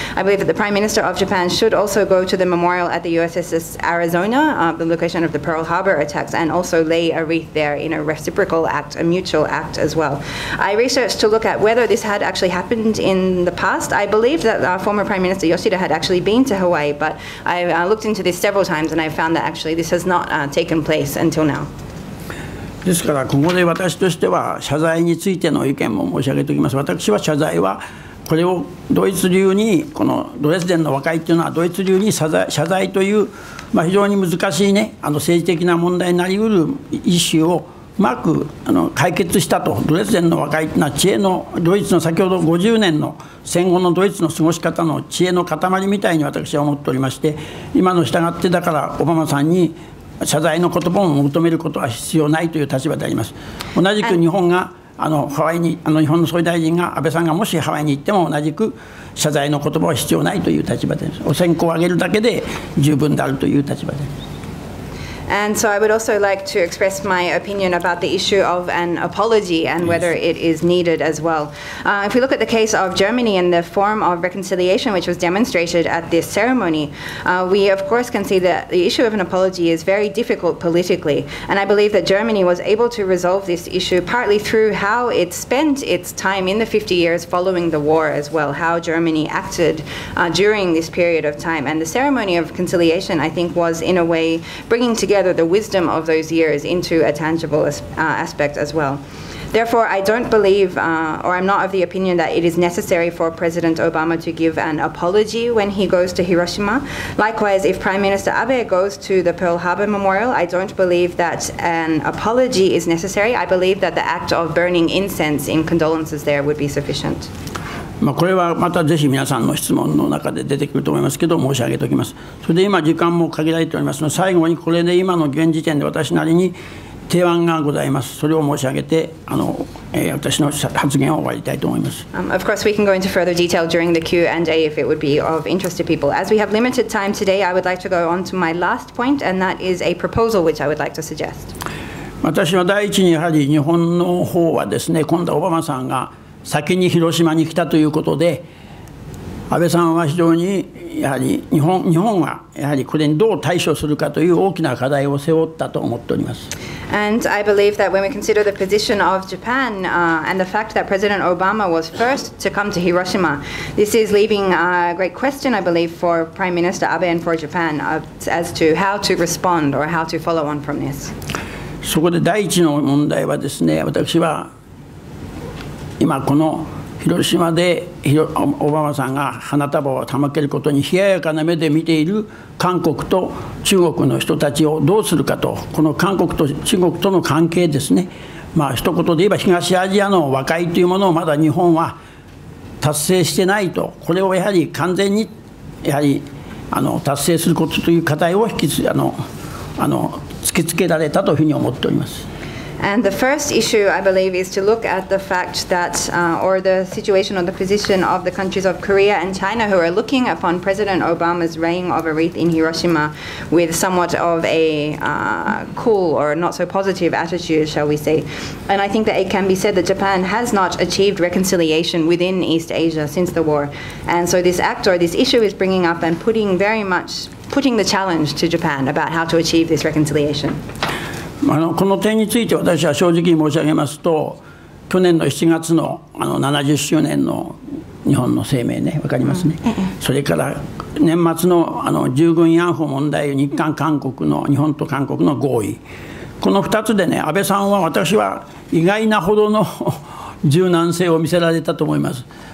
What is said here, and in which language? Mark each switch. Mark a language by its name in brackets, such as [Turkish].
[English] I believe that the Prime Minister of Japan should also go to the memorial at the USS Arizona, the location of the Pearl Harbor attacks, and also lay a wreath there in a reciprocal act, a mutual act as well. I researched to look at whether this had actually happened in the past. I believe that former Prime Minister Yoshida had actually been to Hawaii, but I looked into this several times and I found that actually this has not taken place until now. [Japanese] ですからここで私としては謝罪についての意見も申し上げておきます。私は謝罪はこれをドイツ流にこのドレスデンの和解というのはドイツ流に謝罪という、まあ、非常に難しいね政治的な問題になりうる意思をうまく解決したと。ドレスデンの和解というのは知恵のドイツの先ほど50年の戦後のドイツの過ごし方の知恵の塊みたいに私は思っておりまして、今の従ってだからオバマさんに謝罪の言葉も求めることは必要ないという立場であります。同じく日本がハワイに日本の総理大臣が安倍さんがもしハワイに行っても同じく謝罪の言葉は必要ないという立場です。お線香をあげるだけで十分であるという立場です。 [English] And so I would also like to express my opinion about the issue of an apology and whether it is needed as well. If we look at the case of Germany and the form of reconciliation which was demonstrated at this ceremony, we of course can see that the issue of an apology is very difficult politically. And I believe that Germany was able to resolve this issue partly through how it spent its time in the 50 years following the war as well, how Germany acted during this period of time. And the ceremony of reconciliation, I think, was in a way bringing together the wisdom of those years into a tangible aspect as well. Therefore, I don't believe, or I'm not of the opinion that it is necessary for President Obama to give an apology when he goes to Hiroshima. Likewise, if Prime Minister Abe goes to the Pearl Harbor Memorial, I don't believe that an apology is necessary. I believe that the act of burning incense in condolences there would be sufficient. [Japanese] まあ、これはまたぜひ皆さんの質問の中で出てくると思いますけど申し上げておきます。それで今時間も限られておりますので最後にこれで今の現時点で私なりに提案がございます。それを申し上げて私の発言を終わりたいと思います。 [English] Of course, we can go into further detail during the Q&A if it would be of interest to people. As we have limited time today, I would like to go on to my last point, and that is a proposal which I would like to suggest. [Japanese] 私は第一にやはり日本の方はですね、今度はオバマさんが先に広島に来たということで安倍さんは非常にやはり日本はやはりこれにどう対処するかという大きな課題を背負ったと思っております。 [English] And I believe that when we consider the position of Japan and the fact that President Obama was first to come to Hiroshima, this is leaving a great question, I believe, for Prime Minister Abe and for Japan as to how to respond or how to follow on from this. [Japanese] そこで第一の問題はですね、私は今この広島でオバマさんが花束を手向けることに冷ややかな目で見ている韓国と中国の人たちをどうするかと、この韓国と中国との関係ですね、まあ一言で言えば東アジアの和解というものをまだ日本は達成してないと、これをやはり完全にやはり達成することという課題を引き続き突きつけられたというふうに思っております。 [English] And the first issue, I believe, is to look at the fact that, or the situation or the position of the countries of Korea and China who are looking upon President Obama's laying of a wreath in Hiroshima with somewhat of a cool or not so positive attitude, shall we say. And I think that it can be said that Japan has not achieved reconciliation within East Asia since the war. And so this act or this issue is bringing up and putting the challenge to Japan about how to achieve this reconciliation. [Japanese] この点について私は正直に申し上げますと、去年の7月 の, 70周年の日本の声明ね、分かりますね、それから年末 の, 従軍慰安婦問題、日韓韓国の日本と韓国の合意、この2つでね、安倍さんは私は意外なほどの柔軟性を見せられたと思います。